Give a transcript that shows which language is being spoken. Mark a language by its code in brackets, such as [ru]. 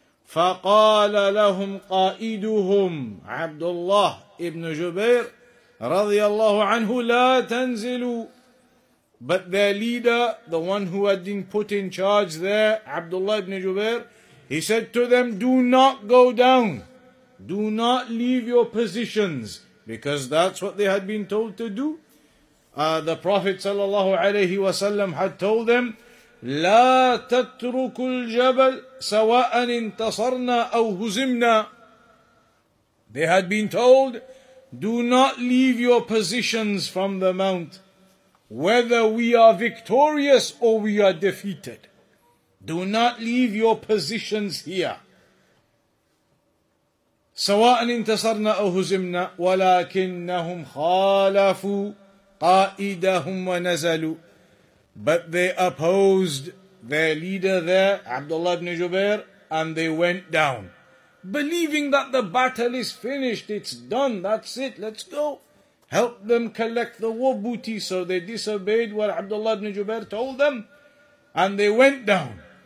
[ar] فَقَالَ لَهُمْ قَائِدُهُمْ عَبْدُ اللَّهِ Ibn Jubayr رضي الله عنه لا تنزلوا. [en] But their leader, the one who had been put in charge there, Abdullah ibn Jubayr, he said to them, do not go down. Do not leave your positions. Because that's what they had been told to do. The Prophet صلى الله عليه وسلم had told them, [ar] لا تتركوا الجبل سواء انتصرنا أو هزمنا. [en] They had been told, do not leave your positions from the mount, whether we are victorious or we are defeated. Do not leave your positions here. [ar] سواء انتصرنا أو هزمنا ولكنهم خالفوا قائدهم ونزلوا. [en] But they opposed their leader there, Abdullah ibn Jubayr, and they went down, believing that the battle is finished, it's done, that's it, let's go. Help them collect the war booty. So they disobeyed what Abdullah ibn Jubayr told them, and they went down.